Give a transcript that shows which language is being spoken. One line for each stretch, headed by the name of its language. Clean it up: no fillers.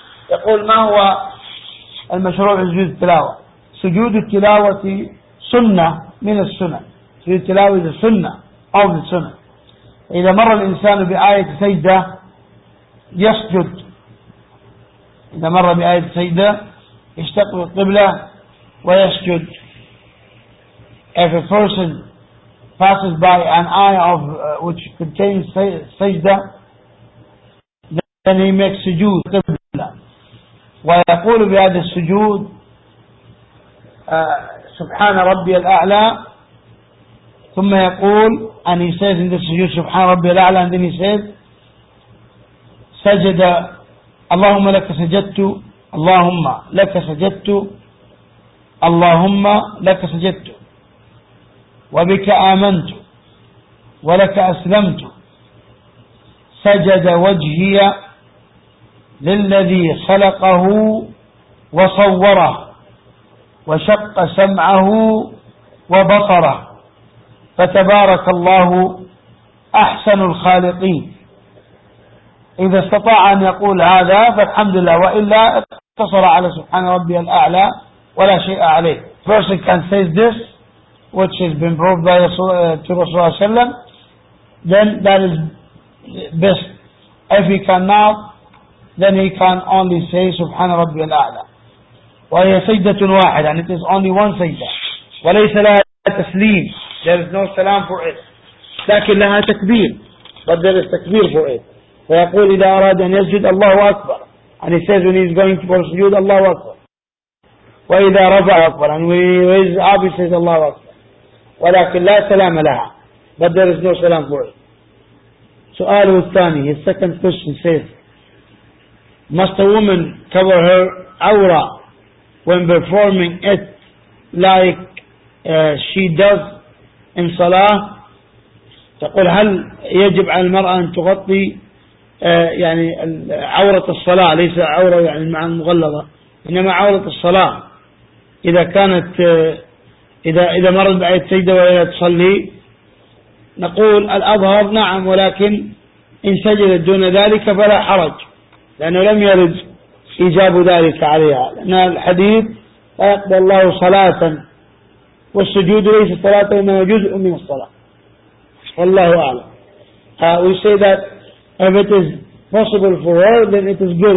Arabic: يقول ما هو المشروع سجود التلاوة؟ سجود التلاوة سنة من السنة.
English: سجود التلاوة is a sunnah of the sunnah.
Arabic: إذا مر الإنسان بآية سجدة يسجد. إذا مر بآية سجدة يستقبل القبلة ويسجد.
English: If a person passes by an ayah of which contains sajda, then he makes sujood qibla.
Arabic: ويقول بهذا السجود سبحان ربي الأعلى ثم يقول,
English: and he says in this sujood
Arabic: سبحان ربي الأعلى,
English: and then he says
Arabic: سجد اللهم لك سجدت اللهم لك سجدت اللهم لك سجدت وبك آمنت ولك أسلمت سجد وجهي للذي خلقه وصوره وشق سمعه وبصره فتبارك الله أحسن الخالقين. إذا استطاع أن يقول هذا فالحمد لله، وإلا اقتصر على سبحان ربي الأعلى ولا شيء عليه.
English: First he can say this, which has been proved by Rasulullah, then that is best. If he cannot, then he can only say
Arabic: سبحان ربي الأعلى. وهي سجدة واحدة,
English: and it is only one سجدة.
Arabic: وليس لها تسليم.
English: There is no salam for it.
Arabic: لكن لها تكبير.
English: But there is تكبير for it.
Arabic: ويقول إذا أراد أن يسجد الله أكبر.
English: And he says when he is going for sujood,
Arabic: الله أكبر. وإذا رفع أكبر.
English: And when he raises up, he says
Arabic: الله أكبر. ولكن لا سلام لها.
English: But there is no salam for it.
Arabic: سؤاله الثاني,
English: his second question says, must a woman cover her awra when performing it like she does in salah?
Arabic: تقول هل يجب على المرأة أن تغطي يعني عورة الصلاة, ليس عورة يعني مع المغلظة, إنما عورة الصلاة إذا كانت إذا مرت بعيد سجدة وهي تصلي؟ نقول الأظهر نعم, ولكن إن سجدت دون ذلك فلا حرج, لأنه لم يرد إيجاب ذلك عليها, لأن الحديث لا يقبل الله صلاة, والسجود ليس صلاة إنما جزء من الصلاة. والله أعلم.
English: We say that if it is possible for her, then it is good.